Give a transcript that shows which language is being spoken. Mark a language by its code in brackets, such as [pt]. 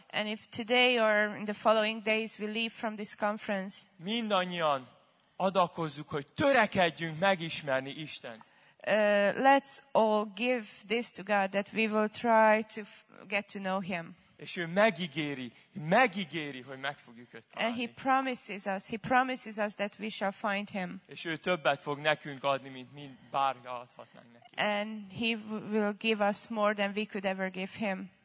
[en] And if today or in the following days we leave from this conference. [hu] Mindannyian adakozzuk, hogy törekedjünk megismerni Istent. [en] Let's all give this to God that we will try to get to know him. [hu] És ő megígéri, hogy meg fogjuk őt találni. [en] And he promises us that we shall find him. [hu] És ő többet fog nekünk adni, mint bárki adhatnánk neki. [en] And he will give us more than we could ever give him.